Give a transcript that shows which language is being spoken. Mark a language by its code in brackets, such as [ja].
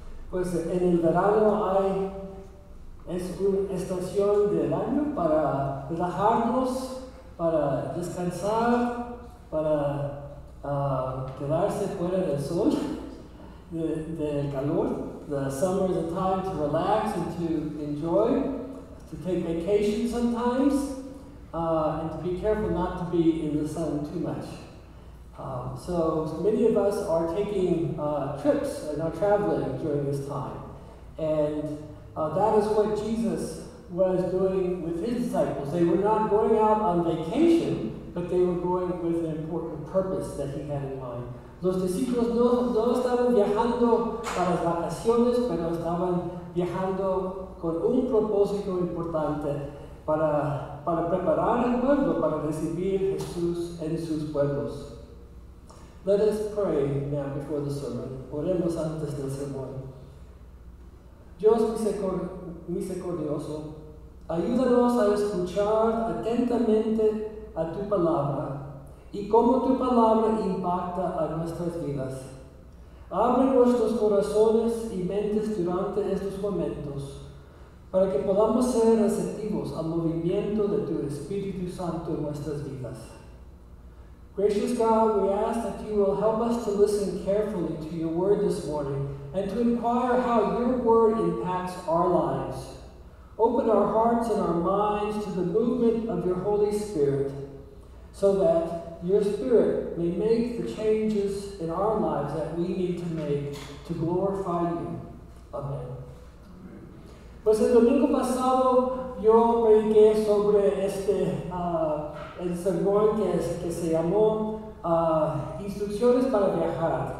[es] Pues en el verano es una estación del año para relajarnos, para descansar, para quedarse fuera del sol, del calor. [en] The summer is a time to relax and to enjoy, to take vacation sometimes, and to be careful not to be in the sun too much. So many of us are taking trips and are traveling during this time. And that is what Jesus was doing with his disciples. They were not going out on vacation, but they were going with an important purpose that he had in mind. [es] Los discípulos no estaban viajando para las vacaciones, pero estaban viajando con un propósito importante para preparar el pueblo, para recibir Jesús en sus pueblos. [en] Let us pray now before the sermon. [es] Oremos antes del sermón. Dios misericordioso, ayúdanos a escuchar atentamente a tu palabra y cómo tu palabra impacta a nuestras vidas. Abre nuestros corazones y mentes durante estos momentos para que podamos ser receptivos al movimiento de tu Espíritu Santo en nuestras vidas. [en] Gracious God, we ask that you will help us to listen carefully to your word this morning and to inquire how your word impacts our lives. Open our hearts and our minds to the movement of your Holy Spirit so that your Spirit may make the changes in our lives that we need to make to glorify you. Amen. [es] Pues el domingo pasado yo prediqué sobre el sermón que se llamó Instrucciones para Viajar.